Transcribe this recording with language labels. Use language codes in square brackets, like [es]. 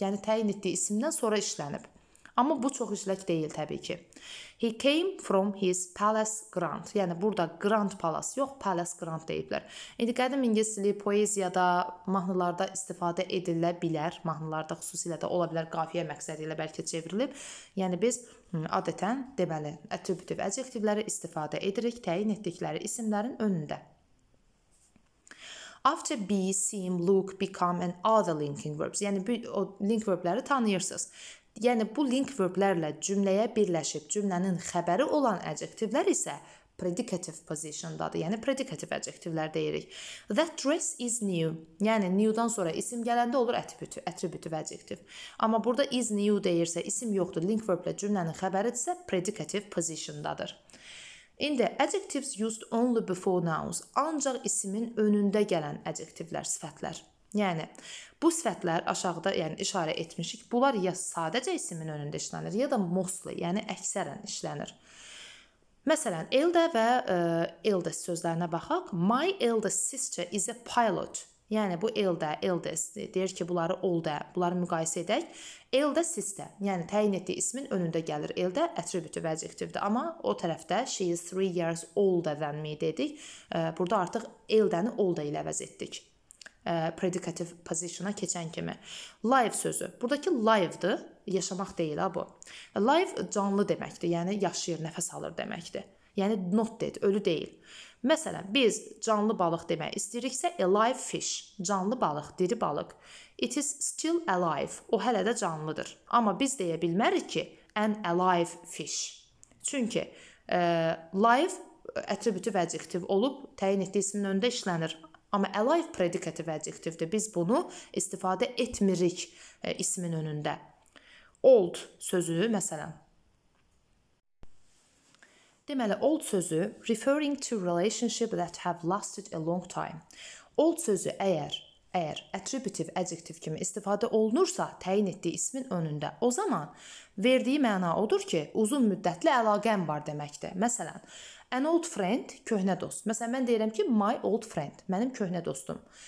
[az] Yəni, təyin etdiyi isimdən sonra işlənib. Amma bu çox işlək deyil təbii ki. [en] He came from his palace grand. [az] Yəni, burada grand palace yox, palace grand deyiblər. İndi qədim ingilis dili poeziyada, mahnılarda istifadə edilə bilər. Mahnılarda xüsusilə də ola bilər qafiyə məqsədi ilə bəlkə çevrilib. Yəni, biz adətən, deməli, attributive adjectivləri istifadə edirik təyin etdikləri isimlərin önündə. [en] After be, seem, look, become and other linking verbs. [az] Yəni, o link verbləri tanıyırsınız. Yəni, bu link verblərlə cümləyə birləşib cümlənin xəbəri olan adjektivlər isə predicative positiondadır, yəni predicative adjektivlər deyirik. [en] That dress is new, [az] yəni new-dan sonra isim gələndə olur attributive adjektiv. Amma burada is new deyirsə, isim yoxdur, link verblə cümlənin xəbəri isə predicative positiondadır. İndi, [en] adjectives used only before nouns, [az] ancaq isimin önündə gələn adjektivlər, sifətlər. Yəni, bu sifətlər aşağıda yəni, işarə etmişik, bunlar ya sadəcə isimin önündə işlənir, ya da mostly, yəni əksərən işlənir. Məsələn, elder və eldest sözlərinə baxaq. [en] My eldest sister is a pilot. [az] Yəni, bu elder, eldest deyir ki, bunları older, bunları müqayisə edək. Eldest sister, yəni təyin etdiyi ismin önündə gəlir elder, attributive adjectivdir. Amma o tərəfdə [en] she is 3 years older than me [az] dedik. Burada artıq elderni older ilə əvəz etdik. Predicative position-a keçən kimi. Live sözü. Buradakı live-dır, yaşamaq deyil bu. Live canlı deməkdir, yəni yaşayır, nəfəs alır deməkdir. Yəni [en] not dead, [az] ölü deyil. Məsələn, biz canlı balıq demək istəyiriksə, [en] a live fish, [az] canlı balıq, diri balıq. [en] It is still alive, [az] o hələ də canlıdır. Amma biz deyə bilmərik ki, [en] an alive fish. [az] Çünki live attributive adjective olub, təyin etdiyi isminin önündə işlənir. Amma alive predicative adjectivdir. Biz bunu istifadə etmirik ismin önündə. Old sözü, məsələn. Deməli, old sözü [en] referring to relationship that have lasted a long time. [az] Old sözü əgər attributive adjective kimi istifadə olunursa təyin etdiyi ismin önündə, o zaman verdiyi məna odur ki, uzun müddətli əlaqəm var deməkdir. Məsələn, [en] an old friend, [az] köhnə dost. Məsələn, mən deyirəm ki, [en] my old friend, [az] mənim köhnə dostum.